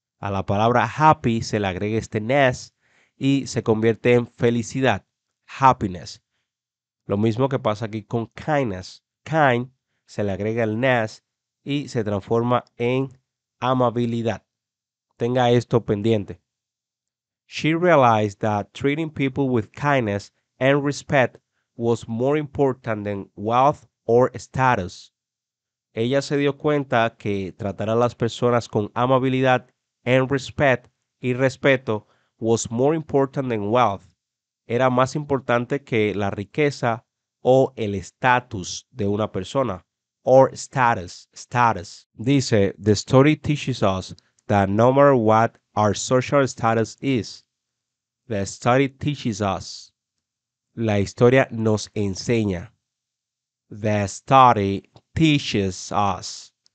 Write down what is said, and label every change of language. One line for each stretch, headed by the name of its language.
Spanish: A la palabra happy se le agrega este ness y se convierte en felicidad, happiness. Lo mismo que pasa aquí con kindness. Kind se le agrega el ness y se transforma en amabilidad. Tenga esto pendiente.
English: She realized that treating people with kindness and respect was more important than wealth or status.
Spanish: Ella se dio cuenta que tratar a las personas con amabilidad
English: and respect
Spanish: y respeto
English: was more important than wealth.
Spanish: Era más importante que la riqueza o el estatus de una persona.
English: Or status.
Spanish: Dice,
English: the story teaches us that no matter what our social status is, the study teaches us.
Spanish: La historia nos enseña.
English: The study teaches us.